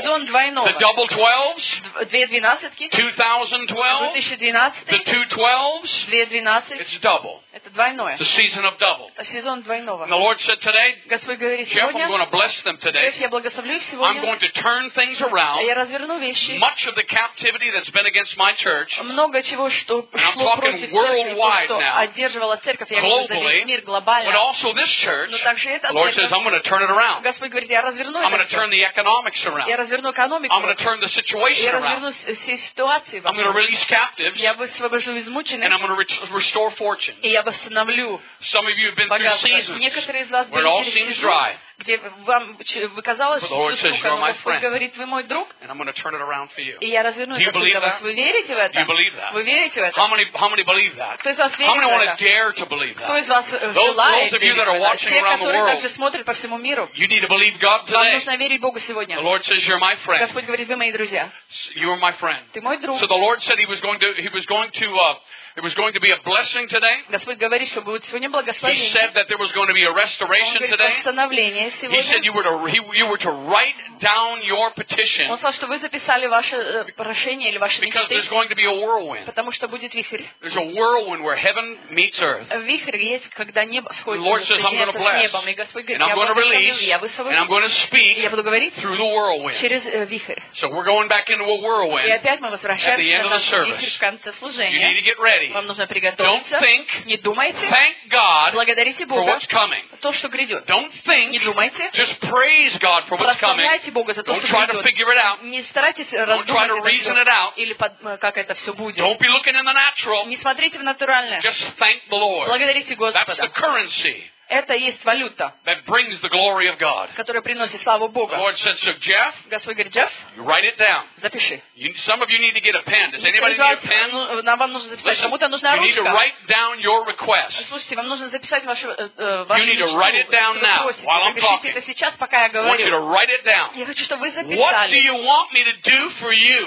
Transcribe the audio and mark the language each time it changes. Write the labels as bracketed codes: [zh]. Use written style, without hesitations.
[ru] Сезон двойного. [en] The double twelves, 2012, 2012, the 2 12s, 2012, it's double. [ru] Это двойное. [en] The season of double. [ru] Это сезон двойного. [en] And the Lord said today, [ru] Господь говорит [en] Jeff, [ru] сегодня, [en] I'm going to bless them today. [ru] Jeff, я благословлю их сегодня. [en] I'm going to turn things around. [ru] Я разверну вещи. [en] Much of the captivity that's been against my church. [ru] Много чего, что шло против церкви, [en] worldwide [ru] то, что [en] now, [ru] одерживало церковь, я [en] globally, [ru] говорю за весь мир глобально. [en] But also this church. [ru] Но также [en] the Lord [ru] церковь, [en] says, I'm going to turn it around. [ru] Господь говорит, я разверну. [en] I'm going to turn the economics around. [ru] Я разверну экономику. [en] I'm going to turn the situation around. I'm going to release captives. And I'm going to restore fortunes. Some of you have been through seasons where it all seems dry. [ru] Где вам казалось, что сука, но Господь говорит, вы мой друг, и я разверну это для вас. Вы верите в это? Вы верите в это? [en] How many believe that? [ru] Кто из вас верит в это? Кто из вас желает верить в это? Те, которые также смотрят по всему миру, [en] you need to believe God today. [ru] Вам нужно верить Богу сегодня. [en] The Lord says, you're my friend. [ru] Господь говорит, вы мои друзья. [en] You are my friend. [ru] Ты мой друг. [en] So the Lord said he was going to it was going to be a blessing today. [ru] Господь говорит, что будет сегодня благословение. [en] He said that there was going to be a restoration today. [ru] Восстановление сегодня. [en] He said you were to write down your petition. [ru] Он сказал, что вы записали ваше прошение или ваши мечты. [en] Because there's going to be a whirlwind. [ru] Потому что будет вихрь. [en] There's a whirlwind where heaven meets earth. [ru] Вихрь есть, когда небо сходит. [en] Lord says, I'm going to bless. And I'm going to release. And I'm going to speak. [ru] Я буду говорить. [en] Through the whirlwind. [ru] Через вихрь. [en] So we're going back into a whirlwind. [ru] И опять мы возвращаемся на наш вихрь в конце служения. [en] You need to get ready. [ru] Вам нужно приготовиться. Не думайте. [en] Thank God. [ru] Благодарите Бога за то, что грядет. [en] Don't think. [ru] Не думайте. [en] Just praise God for what's coming. [ru] Прославляйте Бога за то, [en] don't [ru] что грядет. [en] Don't try to figure it out. [ru] Не старайтесь разобраться. [en] Don't try to reason it out. [ru] Или как это все будет. [en] Don't be looking in the natural. [ru] Не смотрите в натуральное. [en] Just thank the Lord. [ru] Благодарите Господа. [en] That's the currency. [ru] Это есть валюта, [en] that brings the glory of God. [ru] Которая приносит славу Богу. [en] The Lord said, so Jeff, [ru] Господь говорит, Джефф, [en] write it down. [ru] Запиши. [en] Some of you need to get a pen. Does anybody need a pen? [ru] Нам вам нужно записать. Кому-то нужна ручка. [en] You need to write down your request. [ru] Слушайте, вам нужно записать вашу. [en] You need to write it down now, while I'm talking. [ru] Напишите это сейчас, пока я говорю. [en] I want you to write it down. [ru] Я хочу, чтобы вы записали. [en] What do you want me to do for you?